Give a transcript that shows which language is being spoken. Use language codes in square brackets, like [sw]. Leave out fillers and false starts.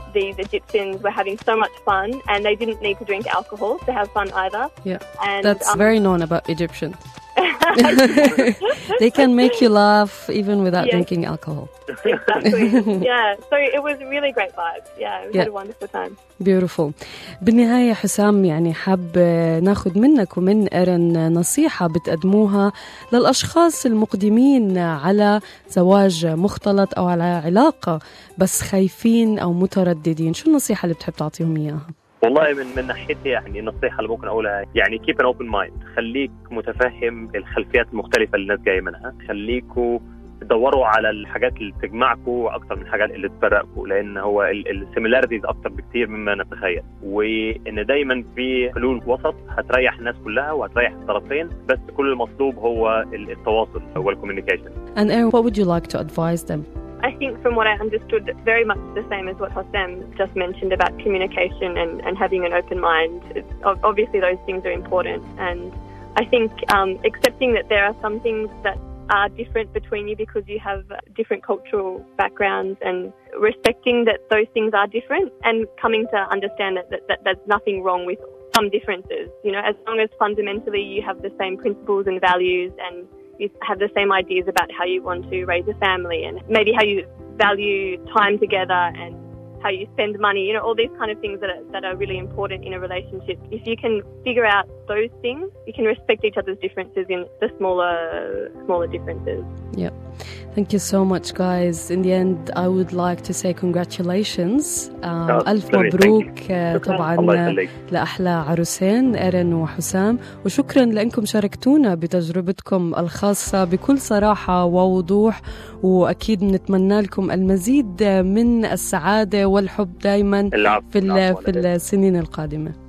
[en] These Egyptians were having so much fun, and they didn't need to drink alcohol to have fun either. Yeah, and that's very known about Egyptians. They can make you laugh even without drinking alcohol. Exactly. Yeah. So it was a really great vibe. Yeah, we had a wonderful time. Beautiful. [ar] بالنهاية حسام، يعني حاب ناخد منك ومن إيرن نصيحة بتقدموها للأشخاص المقدمين على زواج مختلط أو على علاقة بس خايفين أو مترددين، شو النصيحة اللي بتحب تعطيهم إياها؟ والله من ناحيتي يعني النصيحة اللي ممكن أقولها يعني [en] keep an open mind، [ar] خليك متفهم الخلفيات المختلفة اللي الناس جاي منها، خليكوا دوروا على الحاجات اللي تجمعكوا أكتر من الحاجات اللي تفرقكوا، لأن هو السيميلاريتيز أكتر بكتير مما نتخيل، وإن دايما في حلول وسط هتريح الناس كلها وهتريح الطرفين، بس كل المطلوب هو التواصل والكوميونيكيشن. [en] And Aaron, what would you like to advise them? I think from what I understood, very much the same as what Hossam just mentioned about communication and having an open mind. It's, obviously, those things are important. And I think accepting that there are some things that are different between you because you have different cultural backgrounds, and respecting that those things are different, and coming to understand that there's nothing wrong with some differences. You know, as long as fundamentally you have the same principles and values, and you have the same ideas about how you want to raise a family, and maybe how you value time together, and how you spend money. You know, all these kind of things that are really important in a relationship. If you can figure out those things, you can respect each other's differences in the smaller differences. Yep. Thank you so much, guys. In the end, I would like to say congratulations. [ar] ألف مبروك طبعاً لأحلى عروسين إيرين وحسام، وشكراً لأنكم شاركتونا بتجربتكم الخاصة بكل صراحة ووضوح، وأكيد نتمنى لكم المزيد من السعادة والحب دائماً في السنين القادمة.